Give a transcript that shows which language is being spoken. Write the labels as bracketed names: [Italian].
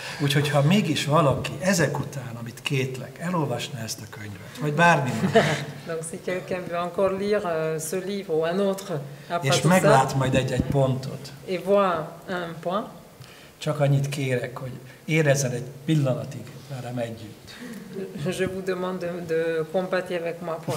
[Hungarian] Úgyhogy ha mégis valaki ezek után, amit kétlek, elolvasna ezt a könyvet, vagy bármi más. [French] Donc si quelqu'un veut encore lire ce livre ou un autre après ça. [Hungarian] És meglát majd egy pontot. [French] Et voit un point. [Hungarian] Csak annyit kérek, hogy érezzen egy pillanatig velem együtt. [French] Je vous demande de compatir avec moi pour